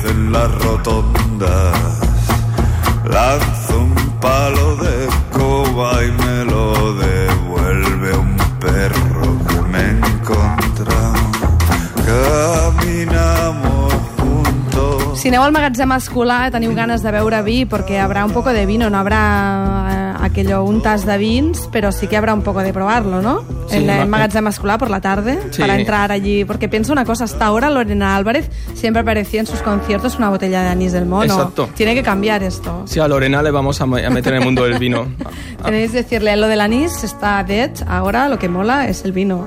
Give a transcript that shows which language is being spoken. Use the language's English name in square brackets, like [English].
[Spanish] Las rotondas, lanzo un palo de escoba y me lo devuelve un perro que me encontró. Caminamos juntos. [Catalan] Si aneu al magatzem Escolà, teniu ganes de beure vi, perquè hi haurà [Spanish] un poco de vino, no habrá aquello, [Catalan] un tas de vins, però sí que hi haurà un poco de provarlo, no? [Spanish] Sí, en el magatzem Escolà por la tarde, sí. Para entrar allí, porque pienso una cosa, hasta ahora Lorena Álvarez siempre aparecía en sus conciertos con una botella de anís del mono. Exacto. Tiene que cambiar esto. Sí, a Lorena le vamos a meter en el mundo del vino. Tenéis que decirle, lo del anís está dead, ahora lo que mola es el vino.